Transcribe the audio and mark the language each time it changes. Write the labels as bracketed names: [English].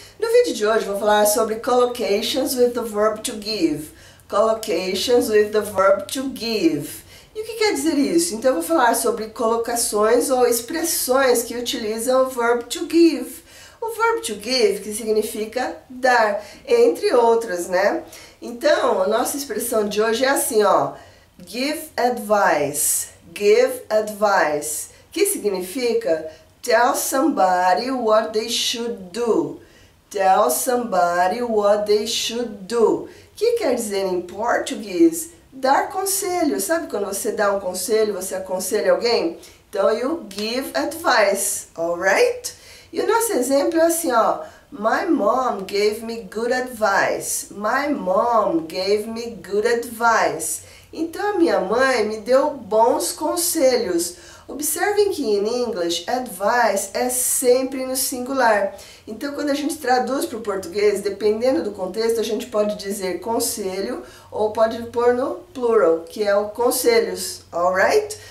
[Portuguese] No vídeo de hoje vou falar sobre [English] collocations with the verb to give. Collocations with the verb to give. [Portuguese] E o que quer dizer isso? Então eu vou falar sobre colocações ou expressões que utilizam o [English] verb to give. [Portuguese] O [English] verb to give, [Portuguese] que significa dar, entre outras, né? Então, a nossa expressão de hoje é assim, ó. [English] Give advice. Give advice. [Portuguese] Que significa [English] tell somebody what they should do. Tell somebody what they should do. [Portuguese] Que quer dizer em português? Dar conselho. Sabe quando você dá um conselho, você aconselha alguém? Então, [English] you give advice, alright? [Portuguese] E o nosso exemplo é assim, ó. [English] My mom gave me good advice. My mom gave me good advice. [Portuguese] Então, a minha mãe me deu bons conselhos. Observem que [English] in English, [Portuguese] advice é sempre no singular. Então, quando a gente traduz para o português, dependendo do contexto, a gente pode dizer conselho ou pode pôr no plural, que é o conselhos, alright?